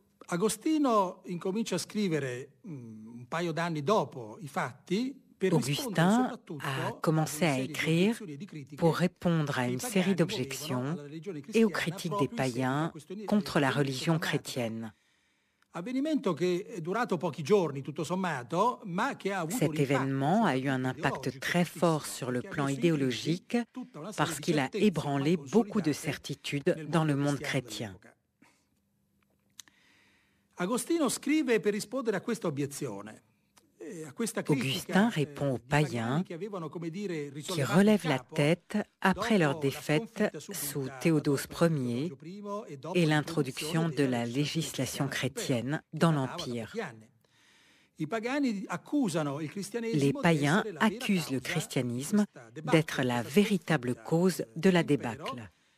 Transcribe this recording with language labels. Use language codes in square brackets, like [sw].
[it] Agostino incomincia a scrivere un paio d'anni dopo i fatti. [fr] Augustin a commencé à écrire pour répondre à une série d'objections et aux critiques des païens contre la religion chrétienne. Cet événement a eu un impact très fort sur le plan idéologique parce qu'il a ébranlé beaucoup de certitudes dans le monde chrétien. [it] Agostino scrive per rispondere a questa obiezione. [fr] Augustin répond aux païens qui relèvent la tête après leur défaite sous Théodose Ier et l'introduction de la législation chrétienne dans l'Empire. Les païens accusent le christianisme d'être la véritable cause de la débâcle.